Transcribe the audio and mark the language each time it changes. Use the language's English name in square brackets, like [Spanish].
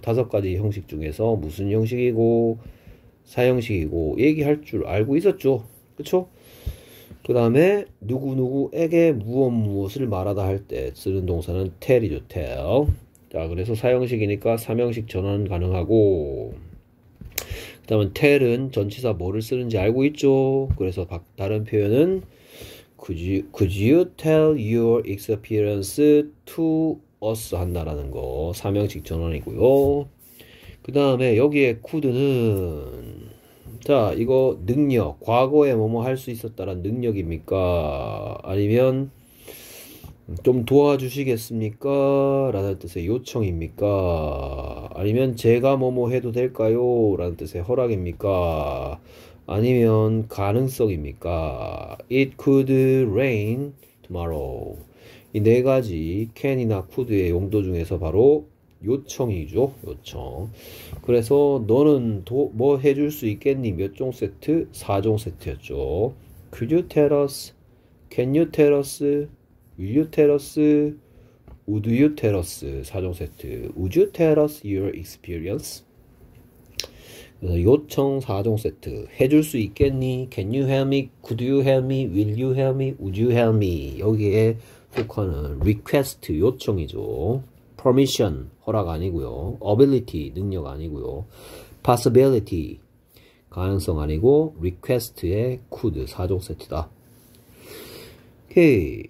[Korean] 다섯 가지 형식 중에서 무슨 형식이고, 사형식이고, 얘기할 줄 알고 있었죠. 그쵸? 그 다음에 누구누구에게 무엇 무엇을 말하다 할때 쓰는 동사는 tell이죠. tell. 자, 그래서 사형식이니까 삼형식 전환 가능하고, 그 다음은 tell은 전치사 뭐를 쓰는지 알고 있죠. [English] 그래서 다른 표현은, could you tell your experience to us 한다라는 거. [Korean] 삼형식 전환이고요. 그 다음에 여기에 could는, 자, 이거 능력. 과거에 뭐뭐 할수 있었다란 능력입니까? 아니면, 좀 도와주시겠습니까? 라는 뜻의 요청입니까? 아니면 제가 뭐뭐 해도 될까요? 라는 뜻의 허락입니까? 아니면 가능성입니까? [English] It could rain tomorrow. [Korean] 이네 가지 can이나 could의 용도 중에서 바로 요청이죠. 요청. 그래서 너는 뭐 해줄 수 있겠니? 몇종 세트? 4종 세트였죠. [English] Could you tell us? Can you tell us? Will you tell us? Would you tell us 4종 세트? Would you tell us your experience? [Korean] 그래서 요청 4종 세트 해줄 수 있겠니? [English] Can you help me? Could you help me? Will you help me? Would you help me? [Korean] 여기에 속하는 request 요청이죠. Permission 허락 아니고요. Ability 능력 아니고요. Possibility 가능성 아니고 request에 could 4종 세트다. 오케이.